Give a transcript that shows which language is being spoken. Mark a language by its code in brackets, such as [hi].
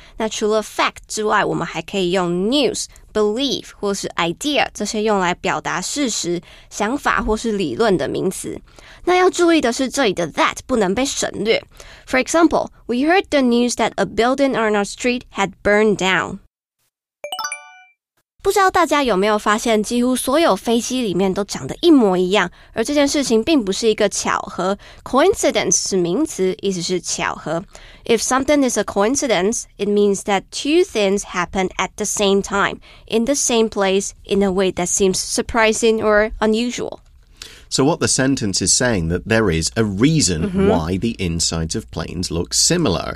[zh] 那除了 fact 之外，我们还可以用 news、belief 或是 idea 这些用来表达事实、想法或是理论的名词。那要注意的是，这里的 that 不能被省略。 [en] For example, we heard the news that a building on our street had burned down. [zh] 不知道大家有没有发现，几乎所有飞机里面都长得一模一样，而这件事情并不是一个巧合。 Coincidence 是名词，意思是巧合。 [en] If something is a coincidence, it means that two things happen at the same time, in the same place, in a way that seems surprising or unusual. So what the sentence is saying, that there is a reason why the insides of planes look similar.